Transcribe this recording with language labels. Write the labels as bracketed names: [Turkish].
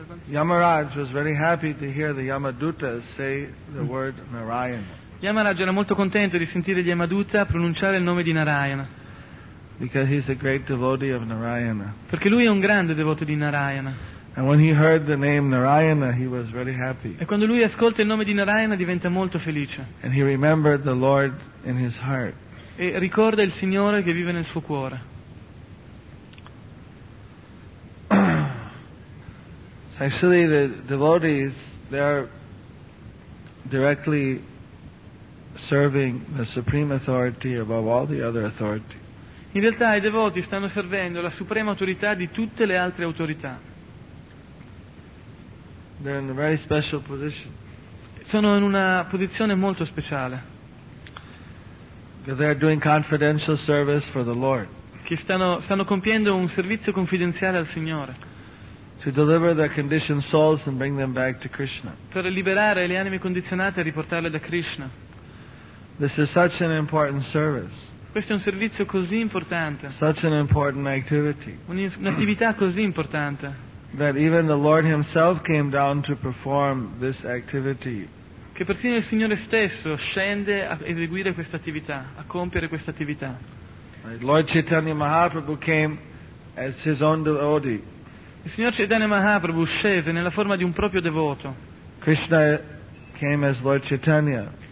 [English] Yamaraj was very happy to hear the Yamadutas say the word Narayana. [Italian] Yamaraj era molto contento di sentire gli Yamaduta pronunciare il nome di Narayana. [English] Because he's a great devotee of Narayana. [Italian] Perché lui è un grande devoto di Narayana. [English] And when he heard the name Narayana, he was very happy. [Italian] E quando lui ascolta il nome di Narayana diventa molto felice. [English] And he remembered the Lord in his heart. [Italian] E ricorda il Signore che vive nel suo cuore. [English] Actually, the devotees, they are directly serving the supreme authority above all the other authority. [Italian] In realtà i devoti stanno servendo la suprema autorità di tutte le altre autorità. [English] They're in a very special position. [Italian] Sono in una posizione molto speciale. [English] Because they are doing confidential service for the Lord. [Italian] Che stanno compiendo un servizio confidenziale al Signore. [English] To deliver their conditioned souls and bring them back to Krishna. [Italian] Per liberare le anime condizionate e riportarle da Krishna. [English] This is such an important service. [Italian] Questo è un servizio così importante. [English] Such an important activity. [Italian] Un'attività così importante. [English] That even the Lord himself came down to perform this activity. [Italian] Che persino il Signore stesso scende a eseguire questa attività, a compiere questa attività. [English] Lord Chaitanya Mahaprabhu came as his own devotee. [Italian] Il Signor Chaitanya Mahaprabhu scese nella forma di un proprio devoto. [English] Krishna came as Lord Chaitanya.